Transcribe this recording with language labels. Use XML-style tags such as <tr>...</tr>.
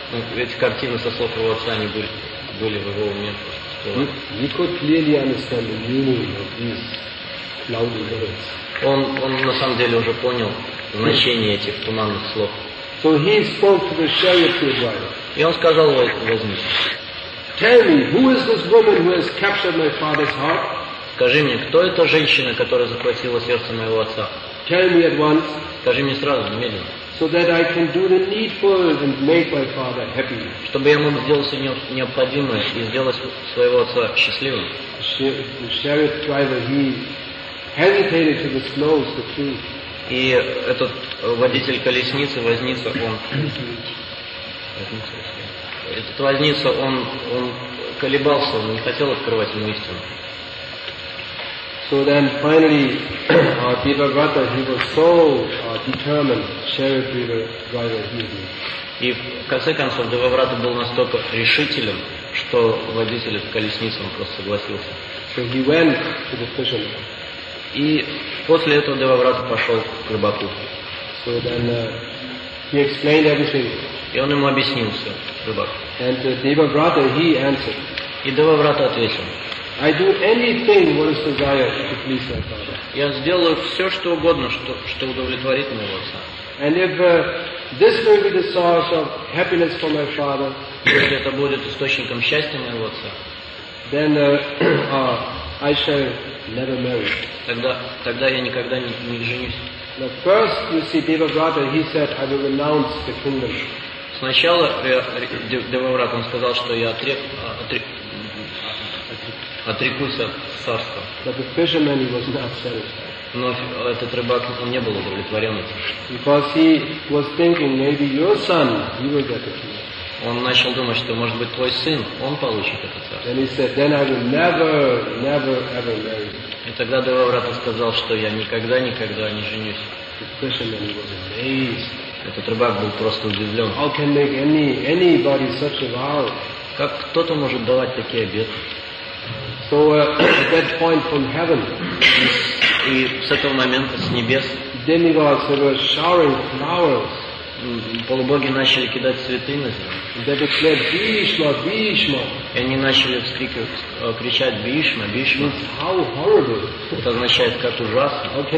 <ru>Ну, эти картины со слов его отца они были в его уме.</ru> <en>He could clearly understand the meaning of these cloudy words.</en> <ru>Он на самом деле уже понял значение этих туманных слов.</ru> <en>So he spoke to the charioteer's wife.</en> <ru>И он сказал вознице.</ru> <en>Tell me, who is this woman who has captured my father's heart?</en> <ru>Скажи мне, кто эта женщина, которая захватила сердце моего отца?</ru> <en>Tell me at once.</en> <ru>Скажи мне сразу, немедленно.</ru> <en>So that I can do the needful and make my father happy.</en> <ru>Чтобы я мог сделать все необходимое и сделать своего отца счастливым.</ru> <en>The chariot driver, he hesitated to disclose the truth.</en> <ru>И этот водитель колесницы, возница, он... Этот возница, он колебался, он не хотел открывать ему истину.</ru> <en>So then finally, Devavrata, he was so determined, chariot driver, he was.</en> <ru>И в конце концов, Девабрата был настолько решителем, что водитель в колеснице, он просто согласился.</ru> <en>So he went to the fisherman.</en> <ru>И после этого Девабрата пошел к рыбаку.</ru> <en>So then he explained everything.</en> <ru>И он ему объяснил все, рыбак.</ru> <en>And Devabrata, he answered.</en> <ru>И Девабрата ответил.</ru> <en>I do anything what is desired to please my father.</en> <ru>Я сделаю все, что угодно, что удовлетворит моего отца.</ru> <en>And if this will be the source of happiness for my father,</en> <ru>если это будет источником счастья моего отца,</ru> <en>then I shall never marry.</en> <ru>Тогда я никогда не женюсь.</ru> <en>But first, you see, Devabrata, he said, I will renounce the kingdom.</en> <ru>Сначала Девабрата он сказал, что я отрекусь от царства.</ru> <en>But the fisherman, he was not satisfied.</en> <ru>Но этот рыбак, он не был удовлетворен этим.</ru> <en>Because he was thinking, maybe your son, he will get the kingdom.</en> <ru>Он начал думать, что, может быть, твой сын, он получит это царство.</ru> <en>Then he said, then I will never, never, ever marry.</en> <ru>И тогда Девабрата сказал, что я никогда, никогда не женюсь.</ru> <en>The fisherman, he was amazed.</en> <ru>Этот рыбак был просто удивлен.</ru> <en>How can make anybody such a vow?</en> <ru>Как кто-то может давать такие обеты?</ru> <en>So at that point from heaven,</en> <ru>и с этого момента с небес,</ru> <en>demigods were showering flowers</en> <ru>полубоги начали кидать цветы на землю. И они начали кричать «Бишма, Бишма». Это означает, как ужасно.</ru>